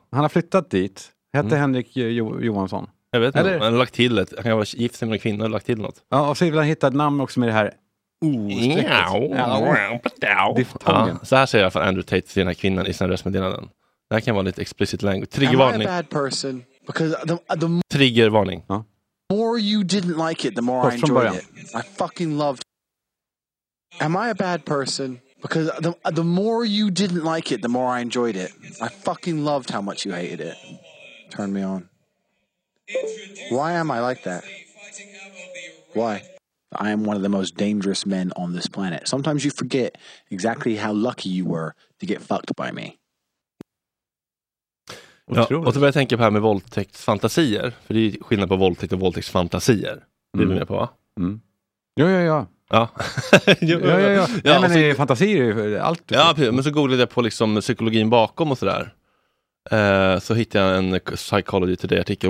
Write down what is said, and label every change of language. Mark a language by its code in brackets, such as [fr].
[sv] Han har flyttat dit. Hette Henrik Johansson. Jag vet inte, han har lagt till ett. Han var gift med en kvinna och lagt till något. Ja, och så vill han hitta ett namn också med det här O-strecket. Ja, så här säger jag för Andrew Tate till den här kvinnan i sin röstmeddelanden. Det här kan vara lite [en] explicit language. [sv] Triggervarning. [en] Am I a bad person? Because the [sv] triggervarning. Ja. [en] The more you didn't like it, the more I enjoyed it. I fucking loved it. Am I a bad person? Because the more you didn't like it, the more I enjoyed it. I fucking loved how much you hated it. Turn me on. Why am I like that? Why? I am one of the most dangerous men on this planet. Sometimes you forget exactly how lucky you were to get fucked by me. [sv] Ja, och så börjar jag tänka på här med våldtäktsfantasier. För det är ju skillnad på våldtäkt och våldtäktsfantasier. Det är du med på, va? Jo, ja, ja. Ja. Ja. Nej, men så, fantasier är ju allt. Ja, men så googlade jag på liksom psykologin bakom och sådär. Så hittade jag en Psychology Today-artikel.